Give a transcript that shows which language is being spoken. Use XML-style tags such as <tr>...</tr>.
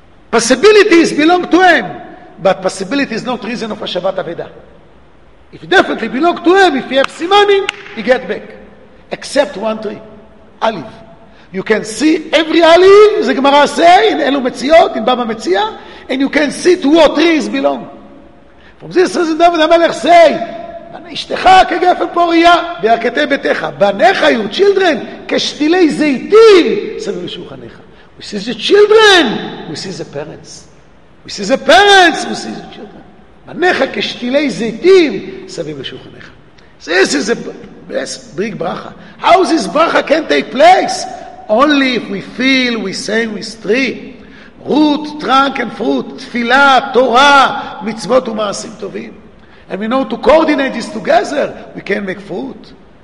<en>Possibilities belong to him, but possibility is not reason of Hashavat Aveda. If it definitely belong to him, if you have simanim, you get back. Except one tree, olive. You can see every olive, the Gemara say, in Elu Metziot, in Baba Metzia, and you can see to what trees belong. From this reason, David HaMelech say,</en> <he>אשתך כגפן פוריה, בירכתי ביתך, בניך,</he> <en>your children,</en> <he>כשתילי זיתים, סביב לשולחניך.</he> <en>We see the children, we see the parents. We see the parents, we see the children.</en> <he>בניך כשתילי זיתים, סביב לשולחניך.</he> <en>This is a big bracha. How this bracha can take place? Only if we feel, we say, we three. Root, trunk and fruit. Tfilah, Torah, mitzvot u'masim tovim. And we know to coordinate this together, we can make fruit.</en>